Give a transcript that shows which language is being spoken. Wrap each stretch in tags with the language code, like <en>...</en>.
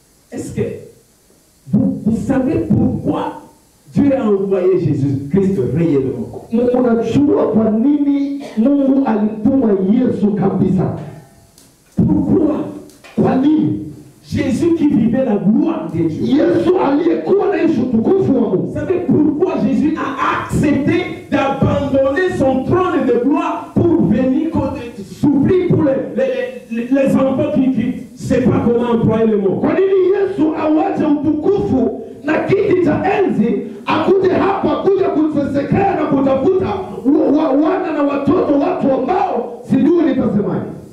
<fr>Est-ce que vous savez pourquoi Dieu a envoyé Jésus Christ réellement?</fr> <sw>Mungu anajua kwa nini Mungu alituma Yesu kabisa.</sw> <fr>Pourquoi? vanille. Jésus qui vivait la gloire de Dieu.</fr> <sw>Yesu aliyekuwa na Yesu tukufu wa Mungu.</sw> <fr>Savez pourquoi Jésus a accepté d'abandonner son trône de gloire pour venir souffrir pour les enfants qui ne savent pas comment employer le mot.</fr> <sw>Kwa nini Yesu awache utukufu na kiti cha enzi akuje hapa kuja kutusekea na kutafuta wana na watoto watu ambao sijui nitasemaje.</sw>